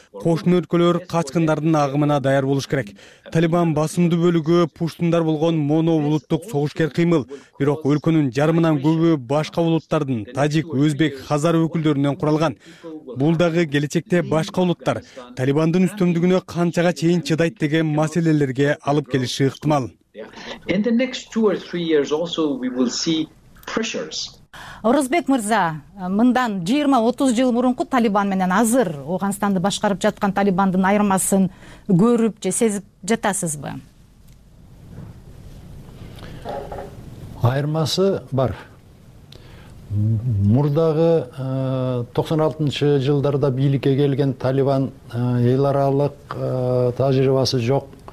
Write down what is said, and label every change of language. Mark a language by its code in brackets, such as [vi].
[ky] Кошуна өлкөлөр качкындардын агымына даяр болуш керек. Талибан басымдуу бөлүгү пуштундар болгон моно улуттук согушкер кыймыл, бирок өлкөнүн жарымынан көбү башка улуттардын тажик, өзбек, хазар өкүлдөрүнөн куралган. Бул дагы келечекте башка улуттар Талибандын үстөмдүгүнө канчага чейин чыдайт деген маселелерге алып келиши ыктымал. [en] In the next 2 or 3 years also we will see pressures. [ky] Орозбек мырза, мындан 20-30 жыл мурунку Талибан менен азыр Ауганстанды башкарып жаткан Талибандын айырмасын көрүп же сезип жатасызбы? Айырмасы бар. Мурдагы 96-чы жылдарда бийликке келген Талибан эл аралык тажрыйбасы жок.